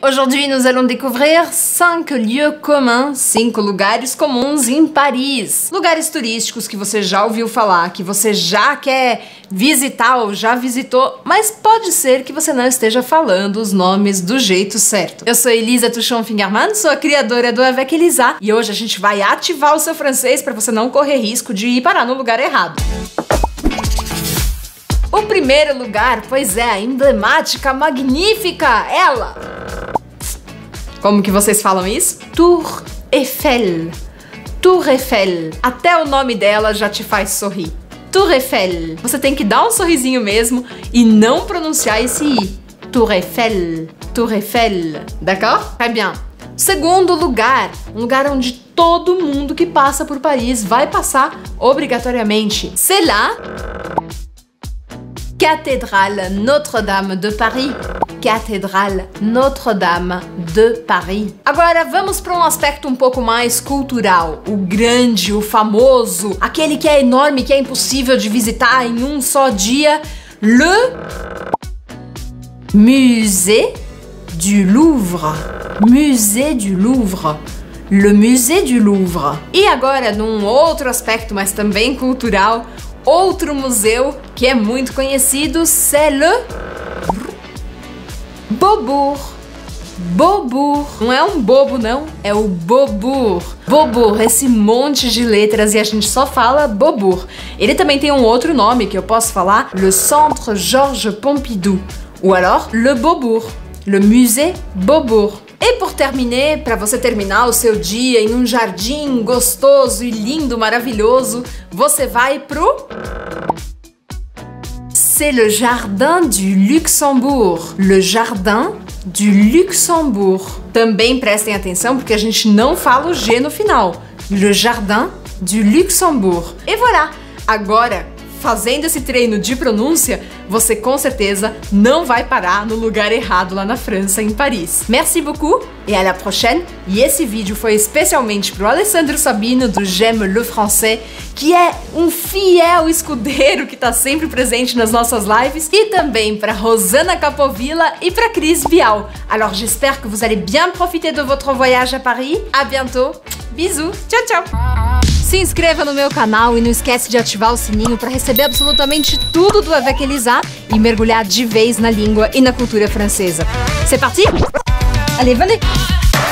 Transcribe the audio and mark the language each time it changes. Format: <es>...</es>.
<fr>Aujourd'hui, nous allons découvrir 5 lieux communs,</fr> <pt>5 lugares comuns em Paris. Lugares turísticos que você já ouviu falar, que você já quer visitar ou já visitou, mas pode ser que você não esteja falando os nomes do jeito certo. Eu sou Elisa Tuchon-Fingerman, sou a criadora do Avec Elisa, e hoje a gente vai ativar o seu francês para você não correr risco de ir parar no lugar errado. O primeiro lugar, pois é, a emblemática, magnífica, ela! Como que vocês falam isso? Tour Eiffel. Tour Eiffel. Até o nome dela já te faz sorrir. Tour Eiffel. Você tem que dar um sorrisinho mesmo e não pronunciar esse I.</pt> <fr>Tour Eiffel. Tour Eiffel. D'accord? Très bien.</fr> <pt>Segundo lugar, um lugar onde todo mundo que passa por Paris vai passar obrigatoriamente.</pt> <fr>C'est là... Cathédrale Notre-Dame de Paris. Cathédrale Notre-Dame de Paris.</fr> <pt>Agora vamos para um aspecto um pouco mais cultural. O grande, o famoso, aquele que é enorme, que é impossível de visitar em um só dia.</pt> <fr>Le Musée du Louvre. Musée du Louvre. Le Musée du Louvre.</fr> <pt>E agora, num outro aspecto, mas também cultural, outro museu que é muito conhecido,</pt> <fr>c'est le Beaubourg.</fr> <pt>Beaubourg. Não é um bobo, não. É o Beaubourg. Beaubourg, esse monte de letras e a gente só fala Beaubourg. Ele também tem um outro nome que eu posso falar, le Centre Georges Pompidou.</pt> <fr>Ou alors, le Beaubourg. Le Musée Beaubourg.</fr> <pt>E por terminar, para você terminar o seu dia em um jardim gostoso e lindo, maravilhoso, você vai pro...</pt> <fr>C'est le Jardin du Luxembourg. Le Jardin du Luxembourg.</fr> <pt>Também prestem atenção porque a gente não fala o G no final. Le Jardin du Luxembourg. E voilà! Agora, fazendo esse treino de pronúncia, você com certeza não vai parar no lugar errado lá na França, em Paris.</pt> <fr>Merci beaucoup et à la prochaine.</fr> <pt>E esse vídeo foi especialmente pro Alessandro Sabino do J'aime le Français, que é um fiel escudeiro que tá sempre presente nas nossas lives, e também pra Rosana Capovilla e pra Cris Bial.</pt> <fr>Alors j'espère que vous allez bien profiter de votre voyage à Paris. À bientôt. Bisous.</fr> <pt>Tchau, tchau. Se inscreva no meu canal e não esquece de ativar o sininho para receber absolutamente tudo do Avec Elisa e mergulhar de vez na língua e na cultura francesa.</pt> <fr>C'est parti? Allez, venez!</fr>